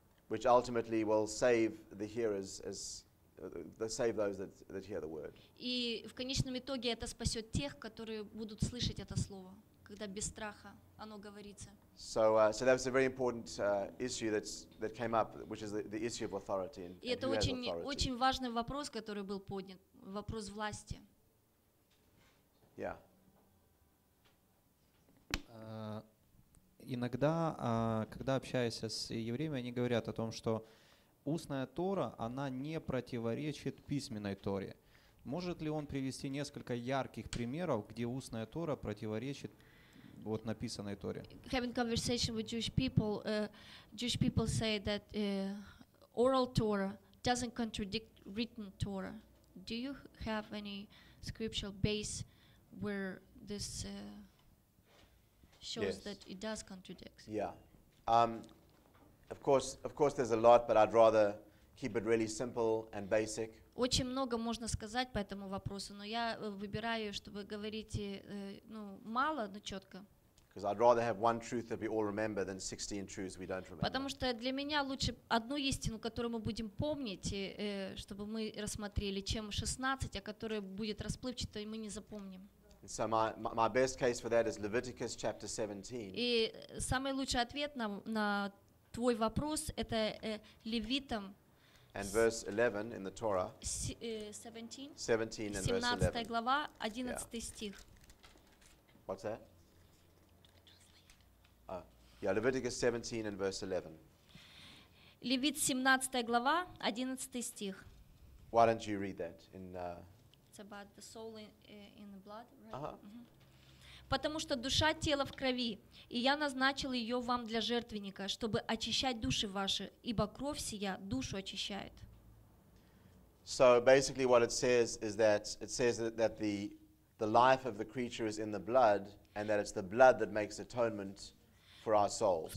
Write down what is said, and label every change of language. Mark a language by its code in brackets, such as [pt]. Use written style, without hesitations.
[en] which ultimately will save the hearers as save those that hear the word. [ru] И в конечном итоге это спасет тех, которые будут слышать это слово, когда без страха оно говорится. [en] So that was a very important issue that came up, which is the issue of authority and who has authority. [ru] И это очень важный вопрос, который был поднят, вопрос власти. [en] Yeah. [ru] Иногда, когда общаюсь с евреями, они говорят о том, что устная Тора, она не противоречит письменной Торе. Может ли он привести несколько ярких примеров, где устная Тора противоречит вот написанной Торе? [en] Having conversation with Jewish people say that oral Torah doesn't contradict written Torah. Do you have any scriptural base where this shows that it does contradict? Yeah. Of course, there's a lot, but I'd rather keep it really simple and basic. [ru] Очень много можно сказать по этому вопросу, но я выбираю, чтобы говорить мало, но четко. [en] Because I'd rather have one truth that we all remember than 16 truths we don't remember. [ru] Потому что для меня лучше одну истину, которую мы будем помнить, чтобы мы рассмотрели, чем 16, а которая будет расплывчатой, мы не запомним. [en] So my best case for that is Leviticus chapter 17. [ru] И самый лучший ответ на твой вопрос это Левитам. [en] And verse 11 in the Torah. 17 and verse 11. [ru] 17 глава, 11 стих. [en] What's that? Leviticus 17 and verse 11. [ru] Левит 17 глава, 11 стих. [en] Why don't you read that in It's about the soul in the blood, right? Uh-huh. Mm-hmm. [ru] Потому что душа тела в крови, и я назначил ее вам для жертвенника, чтобы очищать души ваши, ибо кровь сия душу очищает. [en] So basically what it says is that it says that the life of the creature is in the blood, and that it's the blood that makes atonement for our souls.